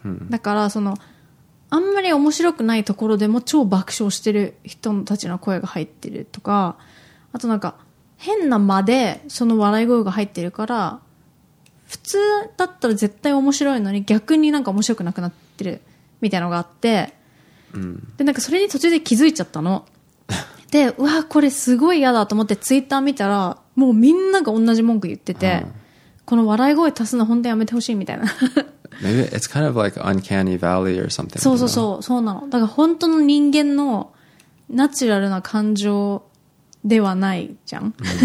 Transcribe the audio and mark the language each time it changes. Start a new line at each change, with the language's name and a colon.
Japanese: だからそのあんまり面白くないところでも超爆笑してる人たちの声が入ってるとか、あとなんか変な間でその笑い声が入ってるから普通だったら絶対面白いのに逆になんか面白くなくなってるみたいなのがあって、でなんかそれに途中で気づいちゃったので、うわこれすごい嫌だと思ってツイッター見たらもうみんなが同じ文句言ってて、この笑い声足すの本当やめてほしいみたいな。
English: Maybe it's kind of like uncanny valley or something.
Japanese: そうそうそう、そうなの。だから本当の人間のナチュラルな感情ではないじゃん。